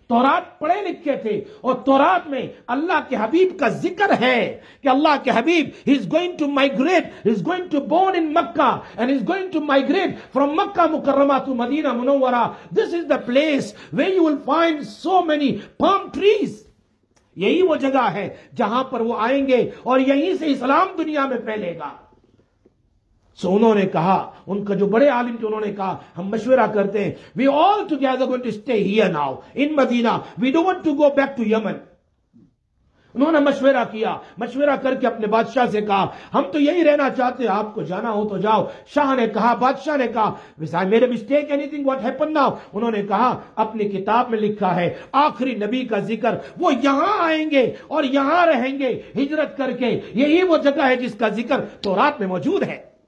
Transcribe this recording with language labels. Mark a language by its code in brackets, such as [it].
[ur] تورات پڑھے لکھے تھے اور تورات میں اللہ کے حبیب [en] کا ذکر ہے کہ اللہ کے حبیب is going to migrate, is going to born in Makkah and is going to migrate from Makkah Mukarramah to Madinah Munawwara. This is the place where you will find so many palm trees. [ur] یہی وہ جگہ ہے جہاں پر وہ آئیں گے اور یہی سے اسلام دنیا میں پھیلے گا. سو انہوں نے کہا, ان کا جو بڑے عالم تھے انہوں نے کہا, ہم مشورہ کرتے ہیں, [en] we all together going to stay here now in Medina, we don't want to go back to Yemen. [ur] انہوں نے مشورہ کیا, مشورہ کر کے اپنے بادشاہ سے کہا, ہم تو یہی رہنا چاہتے ہیں, آپ کو جانا ہو تو جاؤ. شاہ نے کہا, بادشاہ نے کہا, بسائے میرے [en] Mistake any thing what happen now. [ur] انہوں نے کہا, اپنی کتاب میں لکھا ہے آخری نبی کا ذکر, وہ یہاں آئیں گے اور یہاں رہیں گے ہجرت کر کے, یہی وہ جگہ ہے جس کا ذکر تورات میں موجود ہے.